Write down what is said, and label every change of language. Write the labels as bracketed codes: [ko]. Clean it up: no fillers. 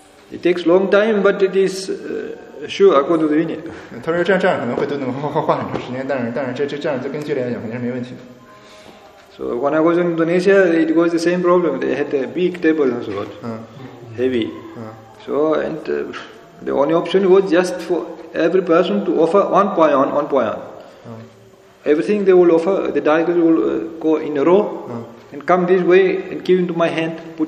[en] It takes long time, but it is sure according to the union. [zh] 他说这样可能会花很长时间，但是这样就跟距离来讲肯定是没问题的。 [en] So when I was in Indonesia, it was the same problem. They had a big table and so on, heavy. So and the only option was just for every person to offer one by one, one by one. Everything they will offer, the diet will go in a row and come this way and give into my hand.